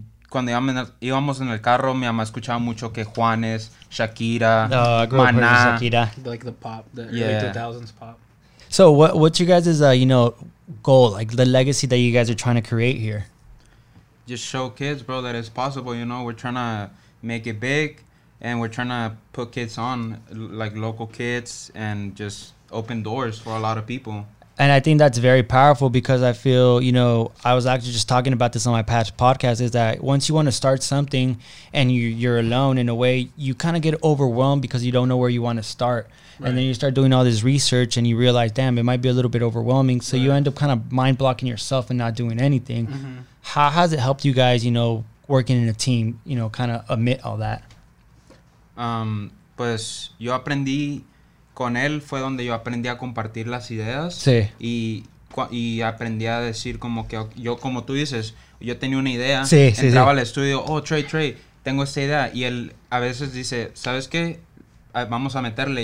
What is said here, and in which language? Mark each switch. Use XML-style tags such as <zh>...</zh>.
<es>Cuando íbamos en el carro, mi mamá escuchaba mucho que Juanes, Shakira, Maná. Shakira.</es> <en>Like the pop, the early 2000s pop. So what's your guys' you know, goal, like the legacy that you guys are trying to create here? Just show kids, bro, that it's possible, you know. We're trying to make it big, and we're trying to put kids on, like local kids, and just open doors for a lot of people. And I think that's very powerful, because I feel, you know, I was actually just talking about this on my past podcast, is that once you want to start something and you're alone in a way, you kind of get overwhelmed because you don't know where you want to start. Right. And then you start doing all this research and you realize, damn, it might be a little bit overwhelming. So you end up kind of mind blocking yourself and not doing anything. Mm-hmm. How has it helped you guys, you know, working in a team, you know, kind of amid all that?</en> <es>Pues yo aprendí con él, fue donde yo aprendí a compartir las ideas. Sí. Y aprendí a decir como que yo, como tú dices, yo tenía una idea. Sí, entraba sí, al estudio, oh, Trey, tengo esta idea. Y él a veces dice, ¿sabes qué? Vamos a meterle.</es>